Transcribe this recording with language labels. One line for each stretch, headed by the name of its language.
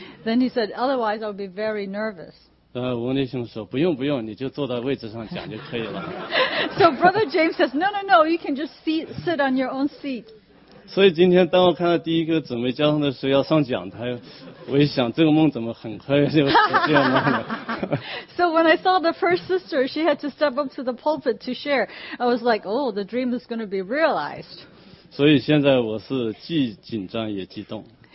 English: Then he said, otherwise I would be very nervous.
Chinese: 翁弟兄说不用不用，你就坐在位置上讲就可以了。
English: So Brother James says, no, you can just sit on your own seat.
Chinese: 所以今天当我看到第一个姊妹交通的时候要上讲台，我一想这个梦怎么很快就实现了。
English: So when I saw the first sister, she had to step up to the pulpit to share. I was like, oh, the dream is going to be realized.
Chinese: 所以现在我是既紧张也激动。